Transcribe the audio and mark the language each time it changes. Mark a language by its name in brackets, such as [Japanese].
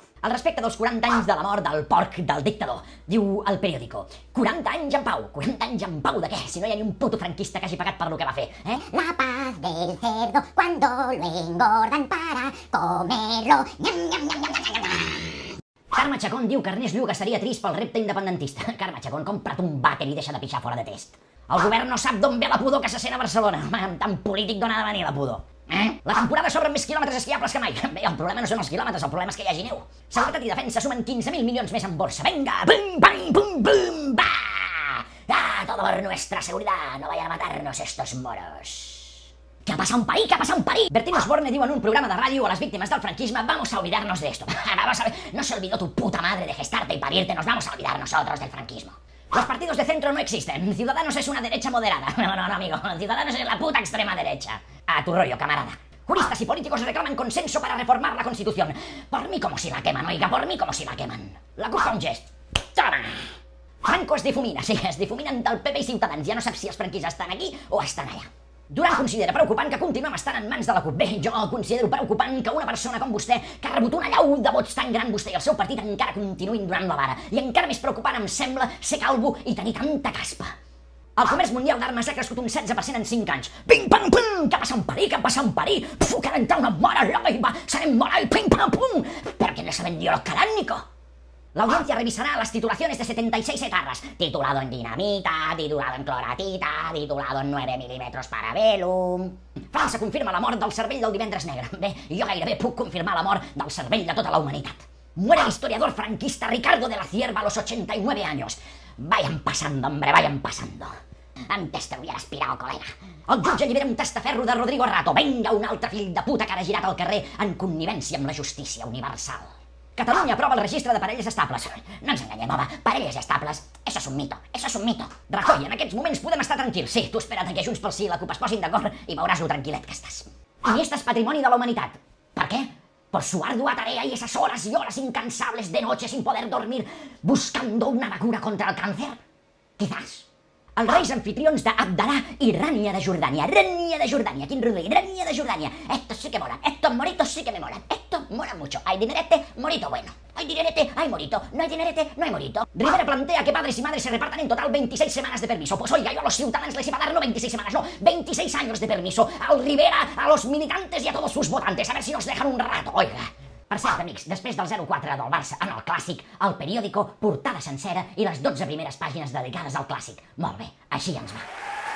[Catalan] Al respecte dels 40 anys de la mort del porc del dictador, diu el periòdico. 40 anys en pau. 40 anys en pau de què? Si no hi ha ni un puto franquista que hagi pagat per lo que va fer, eh? [Spanish] La paz del cerdo cuando lo engordan para comerlo. Nyam, nyam, nyam, nyam, nyam, nyam, nyam. [Catalan] Carme Chacón diu que Ernest Lluga seria trist pel repte independentista. Carme Chacón, compra't un vàter i deixa de pixar fora de test. El govern no sap d'on ve la pudor que se sent a Barcelona. Amb tant polític d'on ha de venir la pudor. La temporada s'obre amb més quilòmetres esquiables que mai. Bé, el problema no són els quilòmetres, el problema és que hi hagi neu. Seguretat i defensa sumen 15.000 milions més en borsa. Vinga, bum, bang, bum, bum, ba! [Spanish] Ah, todo por nuestra seguridad. No vayan a matarnos estos moros. [Catalan] Que ha passat un parí, que ha passat un parí! Bertín Osborne diu en un programa de ràdio a les víctimes del franquisme [Spanish] vamos a olvidarnos de esto. Vamos a... No se olvidó tu puta madre de gestarte y parirte, nos vamos a olvidar nosotros del franquismo. Los partidos de centro no existen. Ciudadanos es una derecha moderada. No, no, no, amigo. Ciudadanos es la puta extrema derecha. A tu rollo, camarada. Juristas y políticos reclaman consenso para reformar la Constitución. Por mí como si la queman, oiga, por mí como si la queman. La culpa un gest. Toma! [Catalan] Franco es difumina, sí, es difuminen del PP i Ciutadans. Ja no saps si els franquis estan aquí o estan allà. Durant considera preocupant que continuem estant en mans de la CUP. Bé, jo considero preocupant que una persona com vostè, que ha rebut una allau de vots tan gran, vostè i el seu partit encara continuïn donant la vara. I encara més preocupant em sembla ser calvo i tenir tanta caspa. El comerç mundial d'armes ha crescut un 16% en 5 anys. Ping, pam, pum! Que passa un parí, que passa un parí! Pfu, que ha d'entrar una mora loiva! Serem mora i ping, pam, pum! Per què no se vendió el carànico? L'audiència revisarà les titulacions de 76 etarres. [Spanish] Titulado en dinamita, titulado en cloratita, titulado en 9 mm para velum... [Catalan] França confirma la mort del cervell del divendres negre. Bé, jo gairebé puc confirmar la mort del cervell de tota la humanitat. [Spanish] Muere l'historiador franquista Ricardo de la Cierva a los 89 años. Vayan pasando, hombre, vayan pasando. Antes te hubieras pirado, colega. [Catalan] El jutge allibera un testaferro de Rodrigo Rato. Venga, un altre fill de puta que ha girat al carrer en connivència amb la justícia universal. Catalunya aprova el registre de parelles estables. No ens enganyem, home. Parelles estables, [Spanish] eso es un mito, eso es un mito. [Catalan] Rajoy, en aquests moments podem estar tranquils. Sí, tu espera't que Junts pel Sí i la CUP es posin d'acord i veuràs lo tranquil·let que estàs. I este es patrimoni de la humanitat. Per què? [Spanish] Por su ardua tarea y esas horas y horas incansables de noche sin poder dormir buscando una vacuna contra el cáncer. Quizás. [Catalan] Els reis anfitrions d'Abdalà i Rània de Jordània. Rània de Jordània, quin rodolí, Rània de Jordània. [Spanish] Esto sí que mola, estos moritos sí que me molan. Esto mola mucho. Hay dinerete, morito bueno. Hay dinerete, hay morito. No hay dinerete, no hay morito. Rivera plantea que padres y madres se repartan en total 26 semanas de permiso. Pues oiga, yo a los ciudadanos les iba a dar no 26 semanas, no, 26 años de permiso. Al Rivera, a los militantes y a todos sus votantes. A ver si nos dejan un rato, oiga. [Catalan] Per cert, amics, després del 0-4 del Barça en el Clàssic, el periòdico, portada sencera i les 12 primeres pàgines dedicades al Clàssic. Molt bé, així ens va.